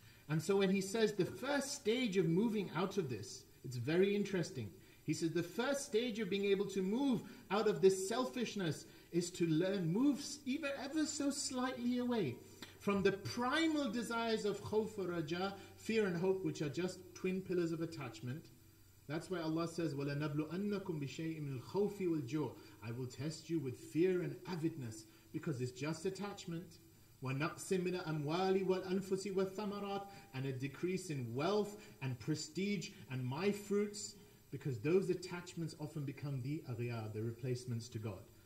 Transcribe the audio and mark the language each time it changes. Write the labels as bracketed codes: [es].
[en] And so when he says the first stage of moving out of this, it's very interesting. He says the first stage of being able to move out of this selfishness is to learn, move even ever so slightly away from the primal desires of [ar] khawf wa raja, [en] fear and hope, which are just twin pillars of attachment. That's why Allah says, [ar] وَلَنَبْلُؤَنَّكُمْ بِشَيْءٍ مِنْ الْخَوْفِ وَالْجُوعِ. [en] I will test you with fear and avidness, because it's just attachment. [ar] وَنَقْسٍ مِنَ أَمْوَالِ وَالْأَنْفُسِ وَالثَّمَرَاتِ. [en] And a decrease in wealth and prestige and my fruits, because those attachments often become the aghyar, the replacements to God.